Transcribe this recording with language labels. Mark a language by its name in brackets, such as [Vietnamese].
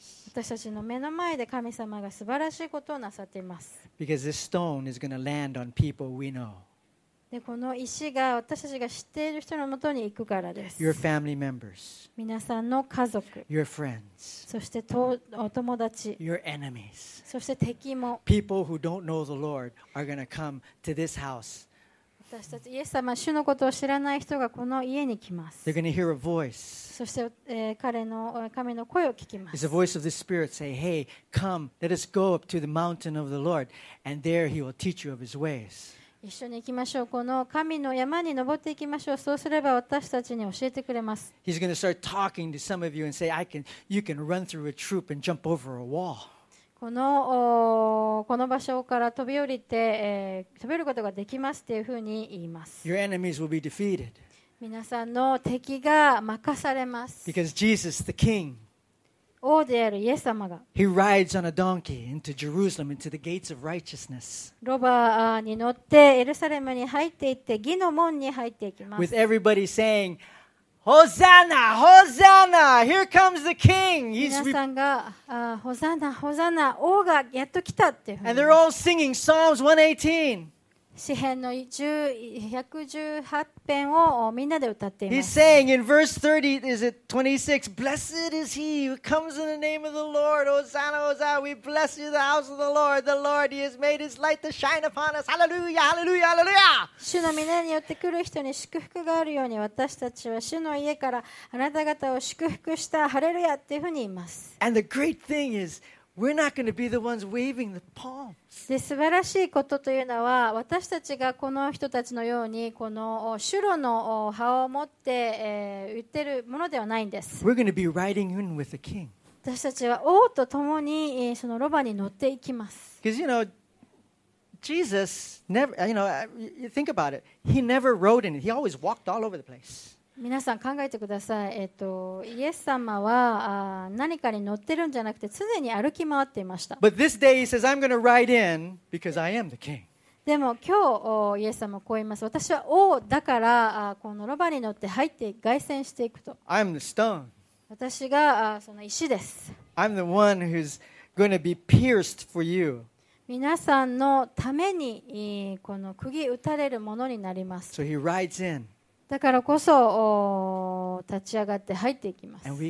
[Japanese] 私たちの目の前で神様が素晴らしいことをなさっています。 [English] Because this stone is going to land on people we know. [Japanese] でこの石が私たちが知っている人のもとに行くからです。 [English] Your family members, [Japanese] 皆さんの家族、 [English] Your friends, [Japanese] そしてお友達、 [English] Your enemies, [Japanese] そして敵も。 [English] People who don't know the Lord are going to come to this house. [Japanese] 私たちイエス様、主のことを知らない人がこの家に来ます。 [English] They're going to hear a voice. [Japanese] そして、彼の神の声を聞きます。 [English] It's the voice of the Spirit say, Hey, come, let us go up to the mountain of the Lord, and there he will teach you of his ways. [Japanese] 一緒に行きましょう。この神の山に登っていきましょう。そうすれば私たちに教えてくれます。 [English] He's going to start talking to some of you and say, you can run through a troop and jump over a wall. [Japanese] この場所から飛び降りて、飛び降ることができますというふうに言います。 [English] Your enemies will be defeated. [Japanese] 皆さんの敵が負かされます。 [English] Because Jesus, the King, [Japanese] 王であるイエス様が [English] He rides on a donkey into Jerusalem into the gates of righteousness. [Japanese] ロバに乗ってエルサレムに入っていって義の門に入っていきます。 [English] With everybody saying, Hosanna, Hosanna, here comes the King. [Japanese] 皆さんが Hosanna, Hosanna, 王がやっと来たっていう。 [English] And they're all singing Psalms 118. [Japanese] 詩編の118編をみんなで歌っています。 [English] He's saying in verse 30, is it 26? Blessed is he who comes in the name of the Lord. Hosanna, Hosanna, we bless you, the house of the Lord. The Lord, he has made his light to shine upon us. Hallelujah, hallelujah, hallelujah! [Japanese] 主の皆によって来る人に祝福があるように私たちは主の家からあなた方を祝福したハレルヤっていうふうに言います。 [English] And the great thing is,We're not going to be the ones waving the palms. [Japanese] で、素晴らしいことというのは、私たちがこの人たちのようにこのシュロの葉を持って、言ってるものではないんです。 [English] We're going to be riding in with the king. [Japanese] 私たちは王と共にそのロバに乗っていきます。 [English] Because you know, Jesus never, you know, you think about it. He never rode in it. He always walked all over the place. [Japanese] 皆さん考えてください。イエス様は何かに乗ってるんじゃなくて常に歩き回っていました。 [English] But this day he says, I'm going to ride in because I am the king. [Japanese] でも今日イエス様はこう言います。私は王だからこのロバに乗って入って凱旋していくと。 [English] I'm the stone. [Japanese] 私がその石です。 [English] I'm the one who's going to be pierced for you. [Japanese] 皆さんのためにこの釘打たれるものになります。 [English] So he rides in. [Japanese] だからこそ立ち上がって入っていきます。